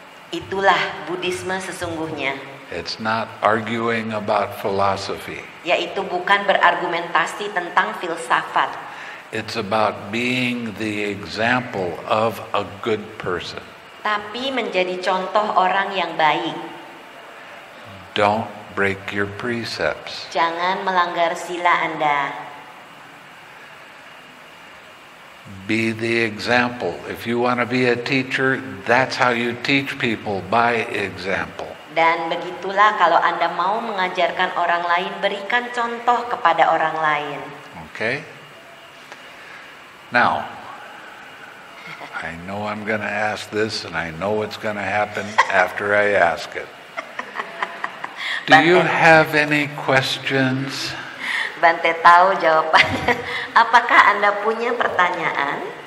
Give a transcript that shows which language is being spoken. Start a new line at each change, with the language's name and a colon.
Indonesian: Itulah Buddhisme sesungguhnya.
English: It's not arguing about philosophy.
Indonesian: Yaitu bukan berargumentasi tentang filsafat.
English: It's about being the example of a good person.
Indonesian: Tapi menjadi contoh orang yang baik.
English: Don't break your precepts.
Indonesian: Jangan melanggar sila Anda.
English: Be the example. If you want to be a teacher, that's how you teach people, by example.
Indonesian: Dan begitulah kalau Anda mau mengajarkan orang lain, berikan contoh kepada orang lain.
English: Okay. Now, I know I'm going to ask this and I know what's going to happen after I ask it. Do you have any questions?
Indonesian: Bante tahu jawabannya. Apakah Anda punya pertanyaan?